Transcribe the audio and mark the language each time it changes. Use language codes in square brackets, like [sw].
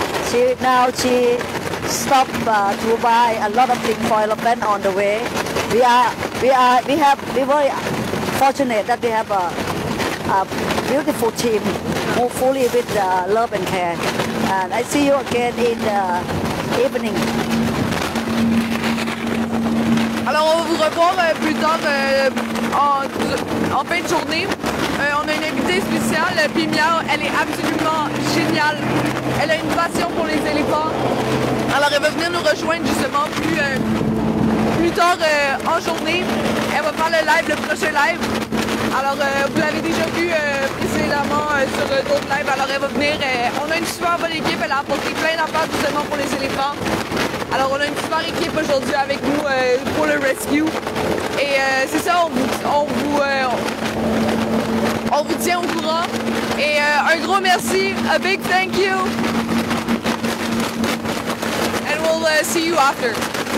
[en] She stop to buy a lot of things for elephant on the way. We very fortunate that we have a beautiful team who fully with love and care. And I see you again in the evening. [fr] Alors on va vous revoir plus tard en fin de journée. On a une invitée spéciale, Pimia. Elle est absolument géniale. Elle a une passion pour les éléphants. Alors elle va venir nous rejoindre justement plus tard en journée. Elle va faire le live, le prochain live. Alors vous l'avez déjà vu précédemment sur d'autres lives. Alors elle va venir. On a une super bonne équipe. Elle a apporté plein d'affaires justement pour les éléphants. Alors on a une super équipe aujourd'hui avec nous pour le rescue. Et c'est ça, on vous tient au courant. Et un gros merci, [en] a big thank you. We'll see you after.